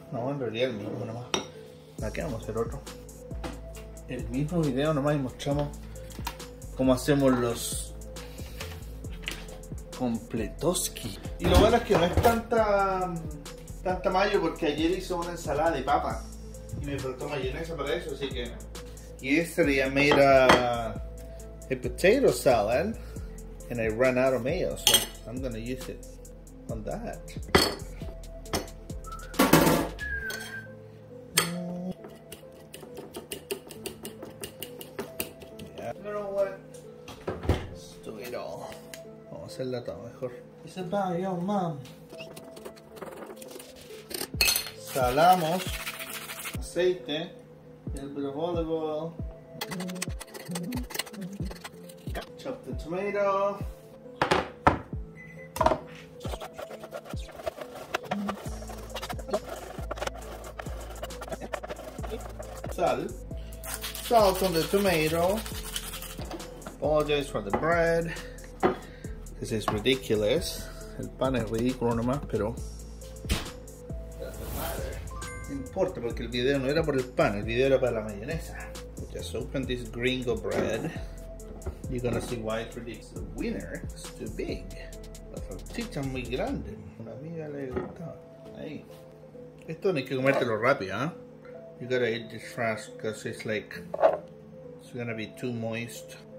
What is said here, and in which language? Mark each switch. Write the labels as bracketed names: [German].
[Spanish] No, en realidad el mismo nomás. Aquí vamos a hacer otro. El mismo video nomás y mostramos cómo hacemos los completoski. Y lo bueno es que no es tanta mayo porque ayer hice una ensalada de papa. Y me faltó mayonesa para eso, así que. Y este sería [English] made a potato salad. And I ran out of mayo, so I'm gonna use it. On that. Yeah. You know what? Let's do it all. [Spanish] Vamos a hacerla todo mejor. [English] It's about your mom. [Spanish] Salamos. aceite, [English] a little bit of olive oil, chop the tomato. Salt on the tomato. Apologize for the bread. This is ridiculous. [Spanish] El pan es ridículo nomás, pero. No importa porque el video no era por el pan, el video era para la mayonesa. [English] Just open this gringo bread. You're gonna see why it predicts the winner. It's too big. [Spanish] La salchicha es muy grande. Una amiga le gustaba. Ahí. Esto no hay que comértelo rápido, ¿eh? [English] You gotta eat this fast because it's like, it's gonna be too moist.